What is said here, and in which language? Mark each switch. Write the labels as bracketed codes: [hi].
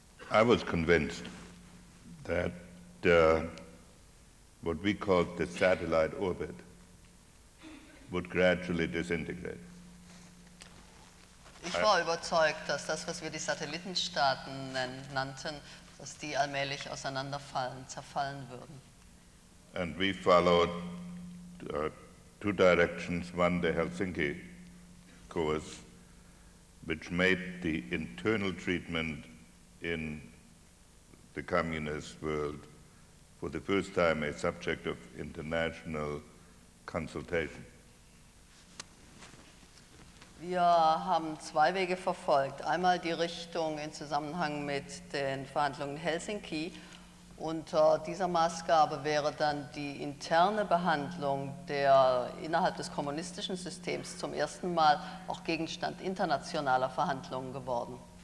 [en] I was convinced that what we called the satellite orbit would gradually disintegrate. [de] Ich war überzeugt, dass das, was wir die Satellitenstaaten nannten, dass die allmählich auseinanderfallen, zerfallen würden. [en] And we followed two directions. One, the Helsinki course, which made the internal treatment in the communist world for the first time a subject of international consultation. [de] Wir haben zwei Wege verfolgt. Einmal die Richtung in Zusammenhang mit den Verhandlungen in Helsinki. Unter dieser Maßgabe wäre dann die interne Behandlung der innerhalb des kommunistischen Systems zum ersten Mal auch Gegenstand internationaler Verhandlungen geworden.